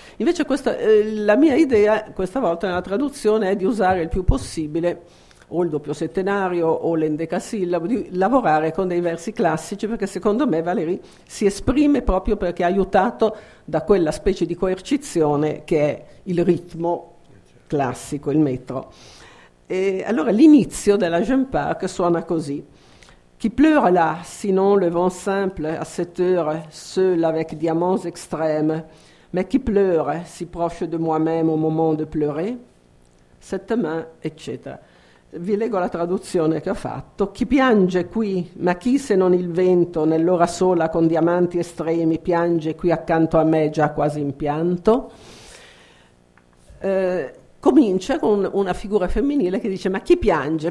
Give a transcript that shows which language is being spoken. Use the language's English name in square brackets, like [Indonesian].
[Italian] Invece questa, la mia idea questa volta nella traduzione è di usare il più possibile o il doppio settenario o l'endecasillabo, di lavorare con dei versi classici, perché secondo me Valéry si esprime proprio perché è aiutato da quella specie di coercizione che è il ritmo classico, il metro. E allora l'inizio della Jeune Park suona così: [French] qui pleure là, sinon le vent simple à cette heure, seul avec diamants extrêmes, mais qui pleure si proche de moi-même au moment de pleurer, cette main, [Italian] eccetera. Vi leggo la traduzione che ho fatto. Chi piange qui, ma chi se non il vento, nell'ora sola con diamanti estremi, piange qui accanto a me già quasi in pianto? Comincia con una figura femminile che dice: ma chi piange?